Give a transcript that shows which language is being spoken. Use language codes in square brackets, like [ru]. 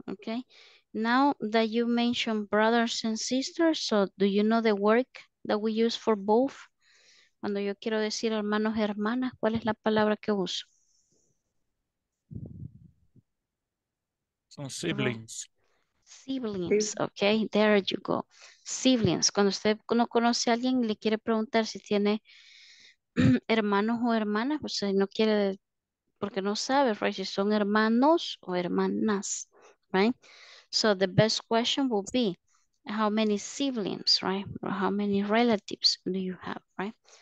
[en] Okay, now that you mentioned brothers and sisters, so do you know the word that we use for both? [es] Cuando yo quiero decir hermanos, hermanas, ¿cuál es la palabra que uso? Son siblings. [en] Siblings, okay, there you go. Siblings. [es] Cuando usted no conoce a alguien y le quiere preguntar si tiene hermanos o hermanas, pues no quiere, porque no sabe, right, si son hermanos o hermanas, right? [en] So the best question will be, how many siblings, right? Or how many relatives do you have, right?